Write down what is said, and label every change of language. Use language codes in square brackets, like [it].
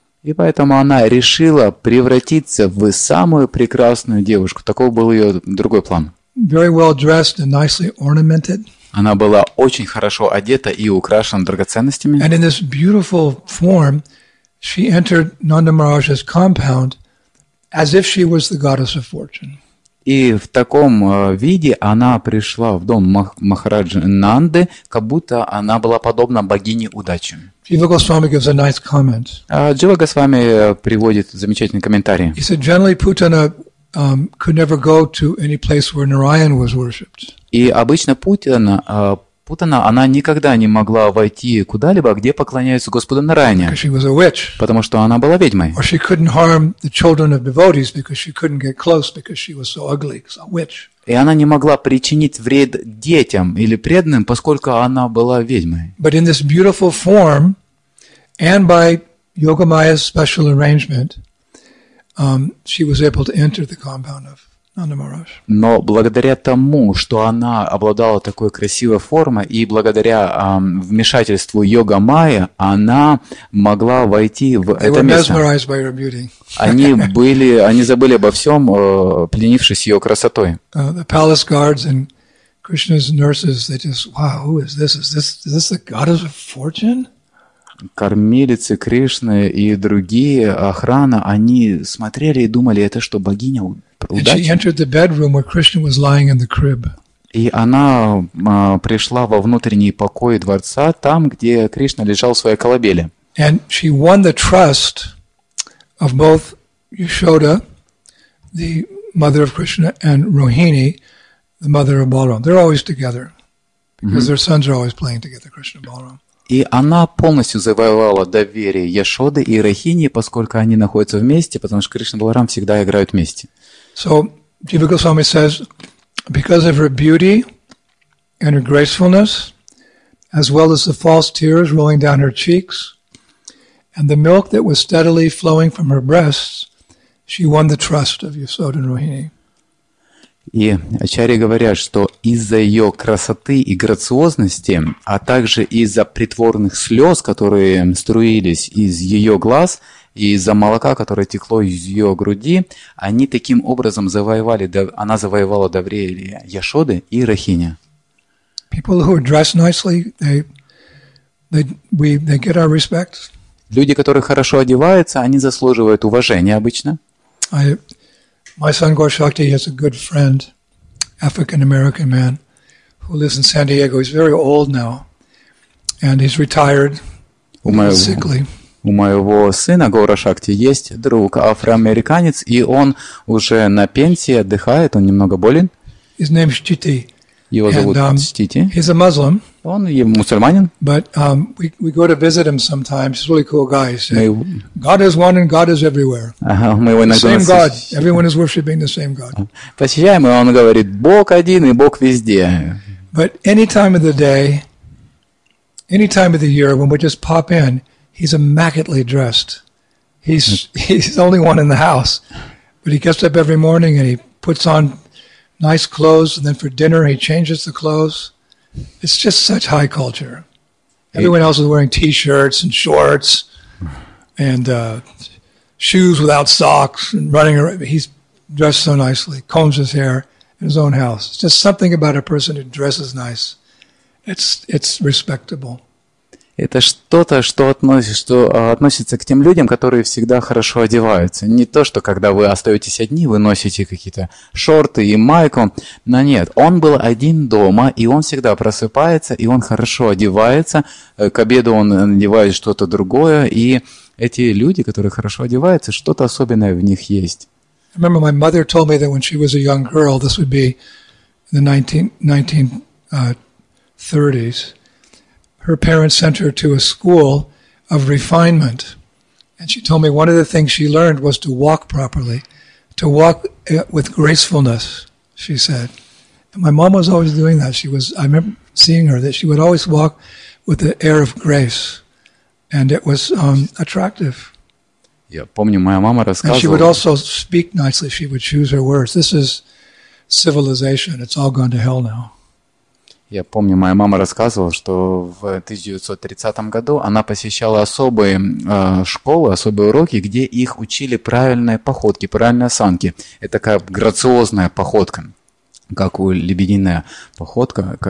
[ru] И поэтому она решила превратиться в самую прекрасную девушку. Такой был ее другой план. [en] Very well dressed and nicely ornamented. [ru] Она была очень хорошо одета и украшена драгоценностями. [en] And in this beautiful form, she entered Nanda Maharaj's compound as if she was the goddess of fortune. [ru] И в таком виде она пришла в дом Махараджи Нанды, как будто она была подобна богине удачи. [en] Jiva Goswami gives a nice comment. [ru] Jiva Goswami приводит замечательный комментарий. [en] He said, generally Putana could never go to any place where Narayan was worshipped. [ru] И обычно Путана, она никогда не могла войти куда-либо, где поклоняются Господу Нараяне. [en] She was a witch. [ru] Потому что она была ведьмой. [en] Or she couldn't harm the children of devotees because she couldn't get close because she was so ugly, so witch. [ru] И она не могла причинить вред детям или преданным, поскольку она была ведьмой. [en] But in this beautiful form and by Yogamaya's special arrangement, she was able to enter the compound of Nanda Maharaj. [ru] Но благодаря тому, что она обладала такой красивой формой, и благодаря вмешательству Йога Майи, она могла войти в это место. Они забыли обо всем, пленившись ее красотой. [en] The palace guards and Krishna's nurses, they just, wow, who is this? Is this the goddess of fortune? [ru] Кормилицы Кришны и другие охрана, они смотрели и думали, это что, богиня удачи? [en] And she entered the bedroom where Krishna was lying in the crib. [ru] И она пришла во внутренний покой дворца, там, где Кришна лежал в своей колыбели. [en] And she won the trust of both Yashoda, the mother of Krishna, and Rohini, the mother of Balaram. They're always together, because mm-hmm. their sons are always playing together, Krishna and Balaram. [ru] И она полностью завоевала доверие Яшоды и Рохини, поскольку они находятся вместе, потому что Кришна и Баларам всегда играют вместе. [en] So, Jiva Goswami says, because of her beauty and her gracefulness, as well as the false tears rolling down her cheeks, and the milk that was steadily flowing from her breasts, she won the trust of Yashoda and Rohini. [ru] И Ачарьи говорят, что из-за ее красоты и грациозности, а также из-за притворных слез, которые струились из ее глаз, и из-за молока, которое текло из ее груди, они таким образом завоевали, она завоевала доверие Яшоды и Рахини. [en] People who are dressed nicely, they get our respect. [ru] Люди, которые хорошо одеваются, они заслуживают уважения обычно. [en] My son Gaurshakti has a good friend, African-American man, who lives in San Diego. He's very old now, and he's retired, sickly. [ru] У моего сына Гаурашакти есть друг, афроамериканец, и он уже на пенсии отдыхает, он немного болен. [en] His name is Chitti. [ru] Его зовут Chitti. [en] He's a Muslim. [ru] Он мусульманин. [en] But we go to visit him sometimes. He's a really cool guy. He said, God is one and God is everywhere. Same God. Everyone is worshiping the same God. [ru] Посещаем, и он говорит, Бог один и Бог везде. [en] But any time of the day, any time of the year, when we just pop in, he's immaculately dressed. He's the only one in the house. But he gets up every morning and he puts on nice clothes, and then for dinner he changes the clothes. It's just such high culture. Everyone else is wearing t-shirts and shorts and shoes without socks and running around. He's dressed so nicely, combs his hair in his own house. It's just something about a person who dresses nice. It's respectable. [ru] Это что-то, что относится к тем людям, которые всегда хорошо одеваются. Не то, что когда вы остаетесь одни, вы носите какие-то шорты и майку. Но нет, он был один дома, и он всегда просыпается, и он хорошо одевается. К обеду он надевает что-то другое. И эти люди, которые хорошо одеваются, что-то особенное в них есть. [en] I remember my mother told me that when she was a young girl, this would be in the 1930s, her parents sent her to a school of refinement. And she told me one of the things she learned was to walk properly, to walk with gracefulness, she said. And my mom was always doing that. I remember seeing her, that she would always walk with the air of grace. And it was attractive. [ru] Я помню, моя мама рассказывала. [en] And she would also speak nicely. She would choose her words. This is civilization. It's all gone to hell now. [ru] Я помню, моя мама рассказывала, что в 1930 году она посещала особые школы, особые уроки, где их учили правильной походке, правильной осанке. Это такая грациозная походка, как у лебединая походка.